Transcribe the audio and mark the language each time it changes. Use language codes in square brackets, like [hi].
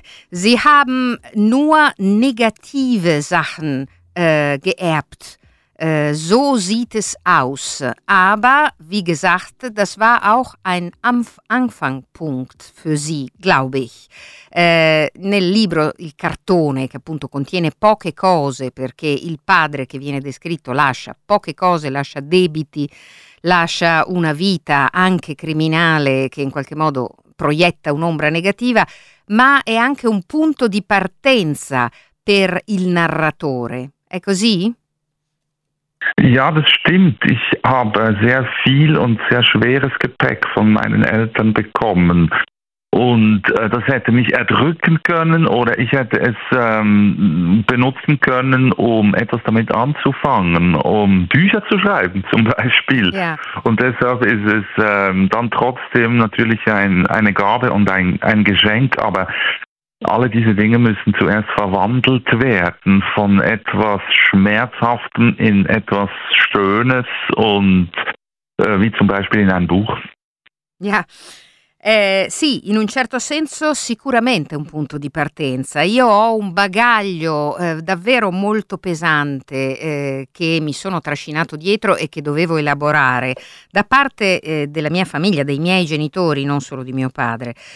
[de] Sie haben nur negative Sachen geerbt. So sieht es aus. Aber wie gesagt, das war auch ein Anfangspunkt für Sie, glaube ich. [it] Nel libro il cartone, che appunto contiene poche cose, perché il padre che viene descritto lascia poche cose, lascia debiti, lascia una vita anche criminale che in qualche modo proietta un'ombra negativa, ma è anche un punto di partenza per il narratore. È così? [de] Ja, das stimmt. Ich habe sehr viel und sehr schweres Gepäck von meinen Eltern bekommen. Und das hätte mich erdrücken können oder ich hätte es benutzen können, um etwas damit anzufangen, um Bücher zu schreiben zum Beispiel. Ja. Und deshalb ist es dann trotzdem natürlich eine Gabe und ein Geschenk, aber alle diese Dinge müssen zuerst verwandelt werden von etwas Schmerzhaftem in etwas Schönes und wie zum Beispiel in ein Buch. Ja. [it] Sì, in un certo senso sicuramente un punto di partenza. Io ho un bagaglio davvero molto pesante che mi sono trascinato dietro e che dovevo elaborare da parte della mia famiglia, dei miei genitori, non solo di mio padre.